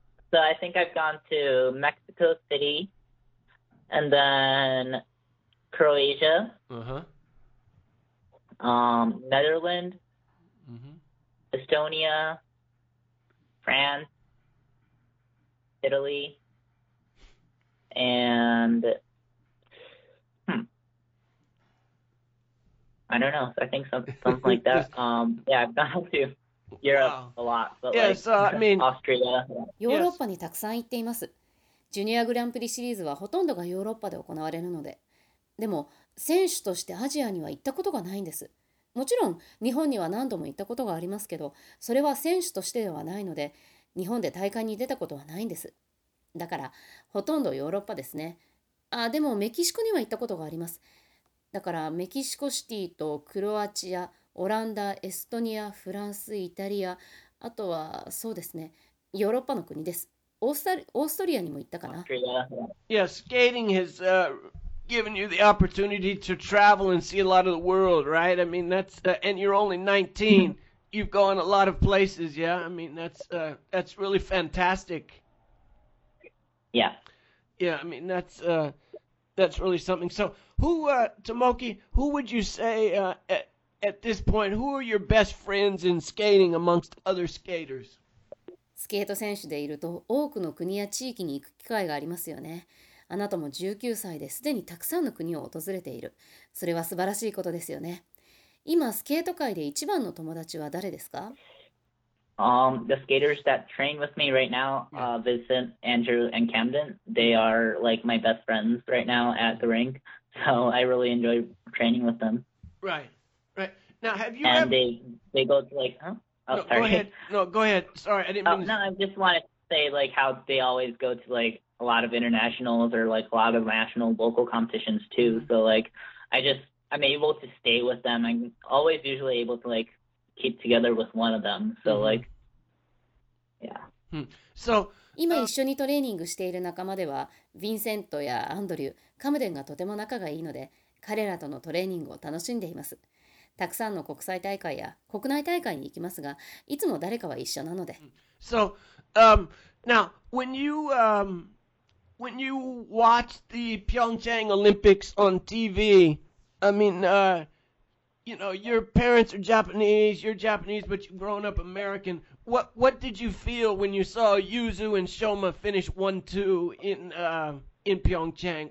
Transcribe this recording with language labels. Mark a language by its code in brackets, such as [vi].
[en] So I think I've gone to Mexico City, and then Croatia, Netherlands, Estonia, France, Italy, and... I don't know. So I think something like that. yeah, I've gone to Europe a lot, but yeah, like so, I mean, Austria. [ja] ヨーロッパにたくさん行っています。ジュニアグランプリシリーズはほとんどがヨーロッパで行われるので、でも選手としてアジアには行ったことがないんです。もちろん日本には何度も行ったことがありますけど、それは選手としてではないので、日本で大会に出たことはないんです。だからほとんどヨーロッパですね。あ、でもメキシコには行ったことがあります。だからメキシコシティとクロアチア、オランダ、エストニア、フランス、イタリア、あとはそうですね、ヨーロッパの国です。オーストリアにも行ったかな。 [en] Yeah, skating has given you the opportunity to travel and see a lot of the world, right? I mean, that's and you're only 19. You've gone a lot of places, yeah? I mean, that's really fantastic. Yeah. Yeah, I mean, that's really something. So, who, Tomoki, who would you say at this point, who are your best friends in skating amongst other skaters? [ja] スケート選手でいると多くの国や地域に行く機会がありますよね。あなたも19歳ですでにたくさんの国を訪れている。それは素晴らしいことですよね。今、スケート界で一番の友達は誰ですか？ [en] The skaters that train with me right now, Vincent, Andrew, and Camden, they are like my best friends right now at the rink. So I really enjoy training with them. Right. Right. Now, have you And ever... they go to like, huh? Oh, no, sorry. Go ahead. No, go ahead. Sorry, I didn't mean to... No, I just wanted to say like how they always go to like a lot of internationals or like a lot of national local competitions too. So like I'm able to stay with them. I'm always usually able to like keep together with one of them. So like, yeah. So, [ja] 今一緒にトレーニングしている仲間ではヴィンセントやアンドリュー、カムデンがとても仲がいいので彼らとのトレーニングを楽しんでいます。たくさんの国際大会や国内大会に行きますがいつも誰かは一緒なので。 [en] So, now, when you watch the Pyeongchang Olympics on TV, I mean, you know, your parents are Japanese, you're Japanese, but you've grown up American. What did you feel when you saw Yuzu and Shoma finish 1-2 in Pyeongchang?